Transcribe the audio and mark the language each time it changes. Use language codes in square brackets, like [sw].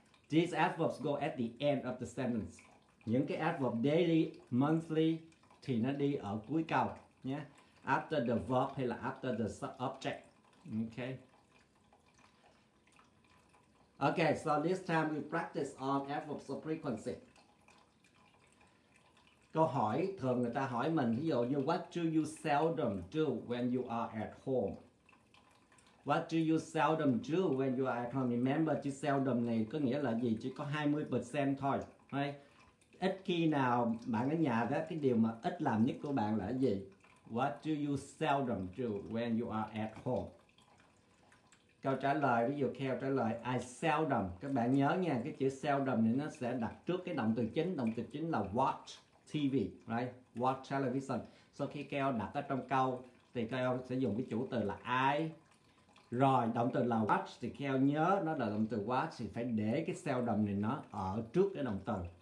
[en] These adverbs go at the end of the sentence. [vi] Những cái adverb daily, monthly thì nó đi ở cuối câu nhé. [en] After the verb hay là after the subject. Okay, so this time we practice on adverbs of frequency. [vi] Câu hỏi, thường người ta hỏi mình, ví dụ như [en] what do you seldom do when you are at home? What do you seldom do when you are at home? [vi] Remember, chữ seldom này có nghĩa là gì? Chỉ có 20% thôi. Ít khi nào bạn ở nhà đó, cái điều mà ít làm nhất của bạn là gì? [en] What do you seldom do when you are at home? [vi] Câu trả lời, ví dụ Kheo trả lời, I seldom. Các bạn nhớ nha, cái chữ seldom này nó sẽ đặt trước cái động từ chính. Động từ chính là watch TV, right? Watch television. Sau khi Kheo đặt ở trong câu, thì Kheo sẽ dùng cái chủ từ là I. Rồi, động từ là watch thì Kheo nhớ nó là động từ watch thì phải để cái seldom này nó ở trước cái động từ.